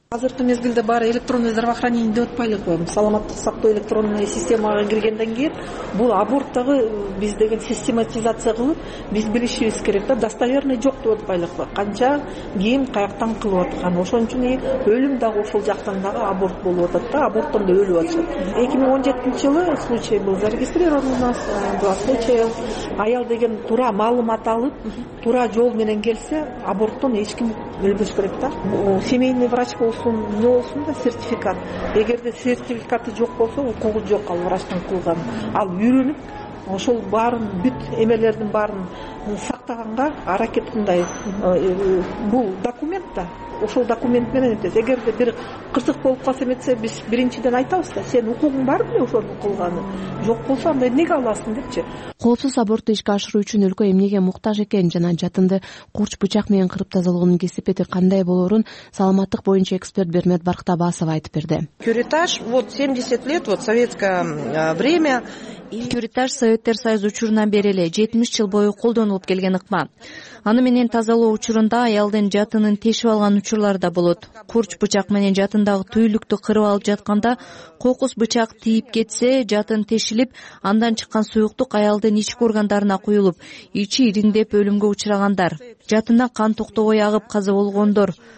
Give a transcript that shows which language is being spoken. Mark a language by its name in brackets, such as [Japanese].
[Kyrgyz] Азыркы мезгилде баары [Russian] электронный здравоохранение [Kyrgyz] деп атпай эле коем. Саламаттык сактоо электронный системага киргенден кийин бул аборттогу биз деген систематизация кылып биз билишибиз керек да, достоверный жок деп атпай эле коем. Канча ким каяктан кылып аткан, ошон үчүн өлүм дагы ошол жактан дагы аборт болуп атат да, аборттон да өлүп атышат. 2017 жылы [Russian] случай был зарегистрирован у нас, два случая. [Kyrgyz] Аял деген туура маалымат алып, туура жол менен келсе аборттон эч ким өлбөш керек да. [Russian] Семейный врач [Kyrgyz] болсун, эмне болсун да сертификат. Эгерде сертификаты жок болсо укугу жок ал врачтын кылган. Ал үйрөнүп ошол баарын бүт эмелердин баарын сактаганга аракет кындай. Бул документ да, ошол документ менен эмес. Эгерде бир кырсык болуп калса эметсе биз биринчиден айтабыз да, сен укугуң бар беле ошону кылганы, жок болсо анда эмнеге аласың депчи. Коопсуз абортту ишке ашыруу үчүн өлкө эмнеге муктаж экен жана жатынды курч бычак менен кырып тазалоонун кесепети кандай болорун саламаттык боюнча эксперт Бермет Барктабасова айтып берди. [Russian] Кюретаж вот 70 лет вот советское время. [Kyrgyz] Кюретаж Советтер Союзу учурунан бери эле 70 жыл бою колдонулуп келген ыкма. Аны менен тазалоо учурунда аялдын жатынын тешип алган учурлар да болот. Курч бычак менен жатындагы түйүлүктү кырып алып жатканда кокус бычак тийип кетсе, жатын тешилип, андан чыккан суюктук аялдын ички органдарына куюлуп, ичи ириңдеп өлүмгө учурагандар, жатында кан токтобой агып каза болгондор.